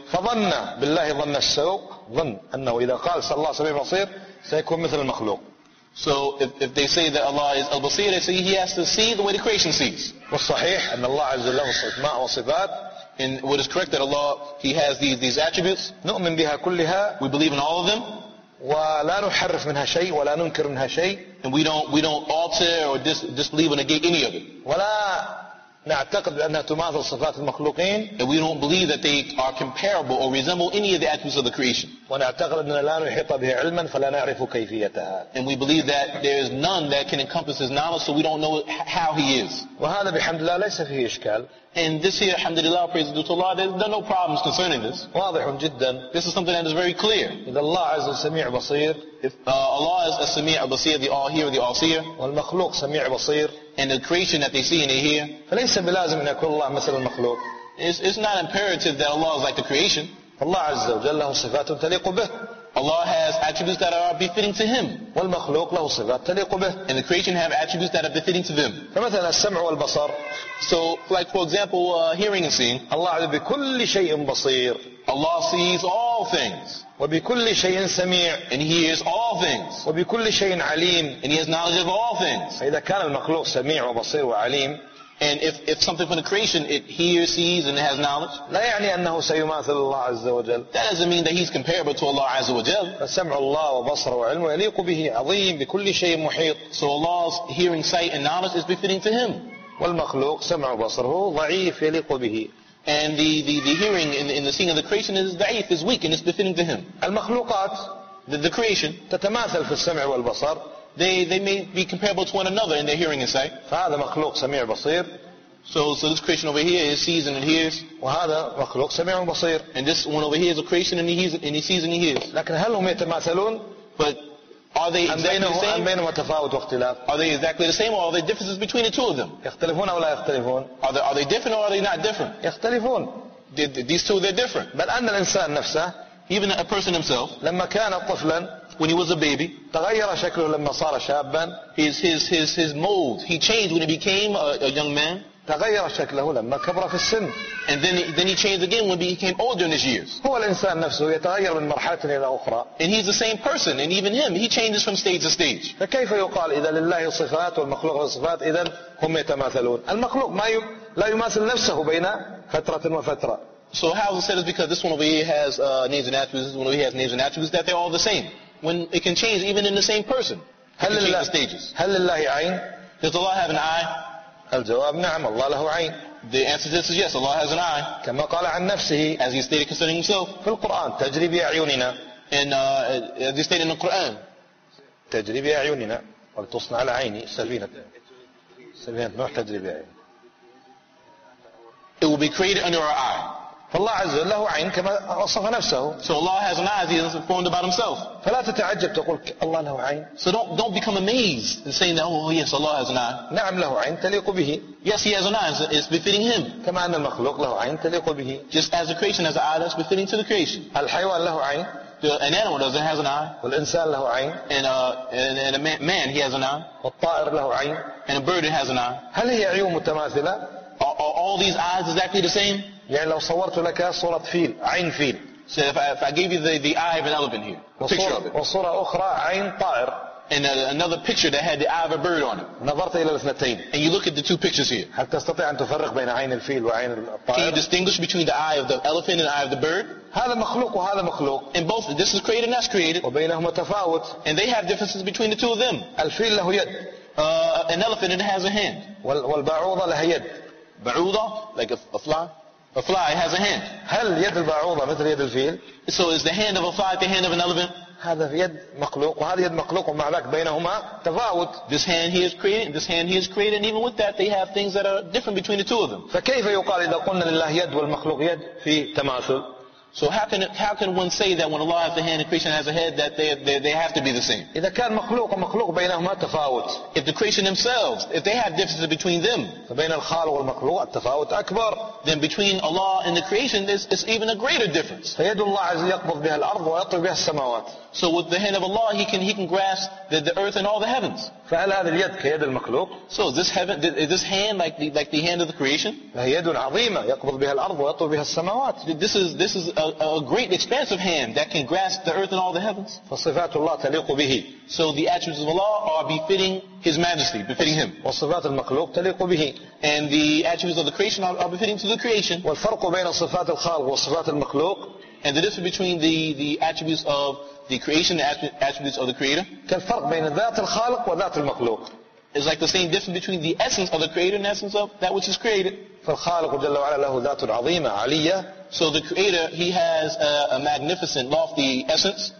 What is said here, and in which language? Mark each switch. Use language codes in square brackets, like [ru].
[ar] فظن بالله ظن السوء ظن أنه إذا قال صلى الله سميع بصير سيكون مثل المخلوق. [en] So if they say that Allah is al-basir, they say he has to see the way the creation sees. [ar] والصحيح أن الله عز وجل أسماء وصفات. [en] And what is correct that Allah he has these attributes. [ar] نؤمن بها كلها. [en] We believe in all of them. [ar] ولا نحرف منها شيء ولا ننكر منها شيء. [en] And we don't alter or disbelieve or negate any of it. [ar] ولا نعتقد بأنها تماثل صفات المخلوقين. [en] And we don't believe that they are comparable or resemble any of the attributes of the creation. [ar] ونعتقد أننا لا نحيط به علما فلا نعرف كيفيتها. [en] And we believe that there is none that can encompass his knowledge, so we don't know how he is. [ar] وهذا بحمد الله ليس فيه إشكال. [en] And this here, alhamdulillah, praise be to Allah, there are no problems concerning this. [ar] واضح جدا. [en] This is something that is very clear. [ar] إذا الله عز السميع بصير. [en] Allah is the [ar] السميع البصير, [en] the all-hearer, the all-seer. [ar] والمخلوق سميع بصير. [en] And the creation that they see and they hear. [ar] فليس بلازم أن يكون الله مثل المخلوق. [en] It's not imperative that Allah is like the creation. [ar] الله عز وجل له صفات تليق به. [en] Allah has attributes that are befitting to him. [ar] والمخلوق له صفات تليق به. [en] And the creation have attributes that are befitting to them. [ar] فمثلا السمع والبصر. [en] So like for example hearing and seeing. [ar] الله عز بكل شيء بصير. [en] Allah sees all things. [ar] وبكل شيء سميع. [en] And he hears all things. [ar] وبكل شيء عليم. [en] And he has knowledge of all things. [ar] فإذا كان المخلوق سميع وبصير وعليم. [en] And if something from the creation it hears, sees, and it has knowledge, [ar] لا يعني أنه سيماثل الله عز وجل. [en] That doesn't mean that he's comparable to Allah [ar] عز وجل. فسمع الله وبصر وعلمه يليق به عظيم بكل شيء محيط. [en] So Allah's hearing, sight, and knowledge is befitting to him. [ar] والمخلوق سمع وبصره ضعيف يليق به. [en] And the hearing and the seeing of the creation is ضعيف, is weak, and it's befitting to him. [ar] المخلوقات [en] the creation [ar] تتماثل في السمع والبصر. [en] They may be comparable to one another in their hearing and sight. [ar] فهذا مخلوق سميع بصير. [en] So this creation over here is sees and it hears. [ar] وهذا مخلوق سميع بصير. [en] And this one over here is a creation and he sees and he hears. [ar] لكن هل هم يتماثلون؟ [en] But are they exactly the same? [ar] أم بينهم تفاوت واختلاف؟ [en] Are they exactly the same or are there differences between the two of them? [ar] يختلفون أو لا يختلفون؟ [en] Are they different or are they not different? [ar] يختلفون. [en] These two they're different. [ar] بل أن الإنسان نفسه. [en] Even a person himself. [ar] لما كان طفلا. [en] When he was a baby, [ar] تغير شكله لما صار شابا. [en] His mold, he changed when he became a young man. [ar] تغير شكله لما كبر في السن. [en] And then he changed again when he became older in his years. [ar] هو الإنسان نفسه يتغير من مرحلة إلى أخرى. [en] And he's the same person, and even him, he changes from stage to stage. [ar] فكيف يقال إذا لله صفات والمخلوق صفات إذن هم يتماثلون؟ المخلوق ما لا يماثل نفسه بين فترة وفترة. [en] So how is it said is because this one over here has names and attributes, this one over here has names and attributes, that they're all the same. When it can change even in the same person. [ar] هل [en] لله stages. [ar] هل لله عين؟ [en] Does Allah have an eye? [ar] الجواب نعم الله له عين. [en] The answer to this is yes, Allah has an eye. [ar] كما قال عن نفسه. [en] As he stated concerning himself. [ar] في القرآن تجري بأعيننا. [en] And as he stated in the Quran. [ar] تجري بأعيننا ولتصنع على عيني سفينة. سفينة نوح تجري بأعيننا. [en] It will be created under our eye. [ar] فالله عز وجل له عين كما وصف نفسه. [en] So Allah has an eye, he's informed about himself. [ar] فلا تتعجب تقول الله له عين. [en] So don't become amazed in saying that, oh yes, Allah has an eye. [ar] نعم له عين تليق به. [en] Yes, he has an eye, it's befitting him. [ar] كما أن المخلوق له عين تليق به. [en] Just as the creation has an eye, that's befitting to the creation. [ar] الحيوان له عين. [en] An animal does it, has an eye. [ar] والإنسان له عين. [en] And a man, he has an eye. [ar] والطائر له عين. [en] And a bird, it has an eye. [ar] هل هي عيون متماثلة؟ [en] Are all these eyes exactly the same? [ar] يعني لو صورت لك صورة فيل عين فيل. [en] So if I gave you the eye of an elephant here, picture of it. [ar] وصورة أخرى عين طائر. [en] And another picture that had the eye of a bird on it. [ar] نظرت إلى الاثنتين. [en] And you look at the two pictures here. [ar] هل تستطيع أن تفرق بين عين الفيل وعين الطائر؟ [en] Can you distinguish between the eye of the elephant and the eye of the bird? [ar] هذا مخلوق وهذا مخلوق. [en] And both this is created and that's created. [ar] وبينهما تفاوت. [en] And they have differences between the two of them. [ar] الفيل له يد. [en] An elephant it has a hand. [ar] والبعوضة لها يد. [en] بعوضة like a fly. A fly has a hand. [ar] هل يد البعوضة مثل يد الفيل؟ [en] So is the hand of a fly the hand of an elephant? [ar] هذا يد مخلوق وهذا يد مخلوق ومع ذلك بينهما تفاوت. [en] This hand he has created, and even with that they have things that are different between the two of them. [ar] فكيف يقال إذا قلنا لله يد والمخلوق يد في تماثل؟ [en] So how can one say that when Allah has a hand and creation has a head that they have to be the same? [ar] إذا كان مخلوق ومخلوق بينهما تفاوت. [en] If the creation themselves, if they have differences between them, [ar] فبين الخالق والمخلوق التفاوت أكبر. [en] Then between Allah and the creation, there's even a greater difference. [ar] فيد الله عز يقبض بها الأرض ويطوي بها السماوات. [en] So with the hand of Allah, he can grasp the earth and all the heavens. [ar] فهل هذا اليد كيد المخلوق؟ [en] So is this hand like the hand of the creation? [ar] هي يد عظيمة يقبض بها الأرض ويطوي بها السماوات. [en] This is a great expansive hand that can grasp the earth and all the heavens. [ar] فصفات الله تليق به. [en] So the attributes of Allah are befitting His Majesty, befitting Him. [ar] وصفات المخلوق تليق به. [en] And the attributes of the creation are befitting to the creation. [ar] والفرق بين صفات الخالق وصفات المخلوق. [en] And the difference between the attributes of the creation, the attributes of the creator. [ar] كالفرق بين ذات الخالق وذات المخلوق. [en] It's like the same difference between the essence of the creator and the essence of that which is created. [ar] فالخالق جل وعلا له ذات عظيمة عالية. [en] So the creator, he has a magnificent, lofty essence.